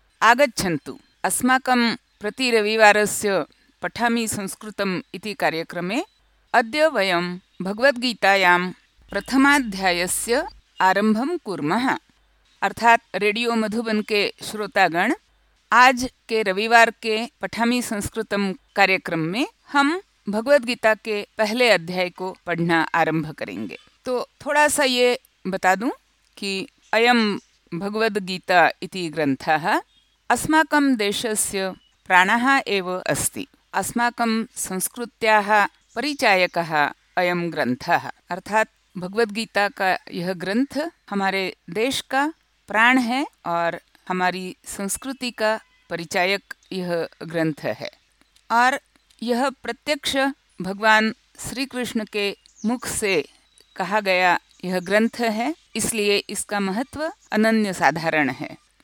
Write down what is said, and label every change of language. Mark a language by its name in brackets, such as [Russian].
[Sanskrit] आगच्छन्तु अस्माकं प्रतिरविवारस्य पठामि संस्कृतम् इति कार्यक्रमे. अद्य वयं भगवद्गीतायां प्रथमाध्यायस्य आरम्भं कुर्मः. [Hindi] अर्थात् रेडियो मधुबन के श्रोतागण, आज के रविवार के पठामि संस्कृतम कार्यक्रम में हम भगवद्गीता के पहले अध्याय को पढ़ना आरंभ करेंगे. तो थोड़ा सा ये बता दूं कि [Sanskrit] अयम भगवद्गीता इति ग्रंथः अस्माकं देशस्य प्राणः एव अस्ति. अस्माकं संस्कृत्याः परिचायकः अयम ग्रंथः. [Hindi] अर्थात भगवद्गीता का यह ग्रंथ हमारे देश का प्राण है और हमारी संस्कृति का परिचायक यह ग्रंथ है. और यह प्रत्यक्ष भगवान श्री कृष्ण के मुख से कहा गया यह ग्रंथ है, इसलिए इसका महत्व अनन्य साधारण है.